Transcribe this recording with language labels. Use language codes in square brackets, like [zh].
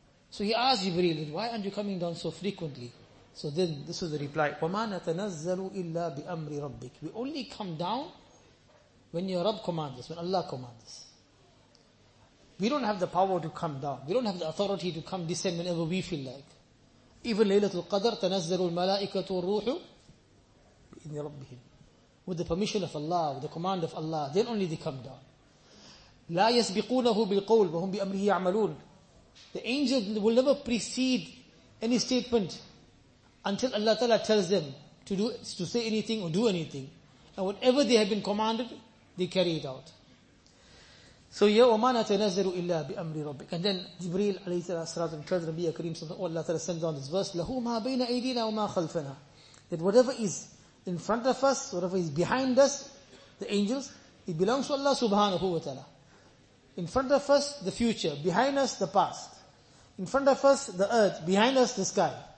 [en] So he asked Jibreel, why aren't you coming down so frequently? So then this was the reply, [ar] وَمَا نَتَنَزَّلُ إِلَّا بِأَمْرِ رَبِّكَ. [en] We only come down when your Rabb commands us, when Allah commands us. We don't have the power to come down. We don't have the authority to come descend whenever we feel like. Even Laylatul Qadr, [ar] تَنَزَّلُ الْمَلَائِكَةُ وَالرُّوحُ بِإِذْنِ رَبِّهِمْ. [en] With the permission of Allah, with the command of Allah, then only they come down. [ar] لَا يَسْبِقُونَهُ بِالْقَوْلِ وَهُمْ بِأَمْرِهِ يَعْمَلُونَ. [en] The angel will never precede any statement until Allah Ta'ala tells them to say anything or do anything. And whatever they have been commanded, they carry it out. [ar] So, ya وَمَا نَتَنَزَّلُ إِلَّا بِأَمْرِ رَبِّكَ. [en] And then Jibreel alayhi salatu tells Rabbiya Kareem, oh Allah Ta'ala sends down this verse, [ar] لَهُ مَا بَيْنَ أَيْدِينَا وَمَا خَلْفَنَا. [en] That whatever is in front of us, whatever is behind us, the angels, it belongs to Allah subhanahu wa ta'ala. In front of us, the future. Behind us, the past. In front of us, the earth. Behind us, the sky.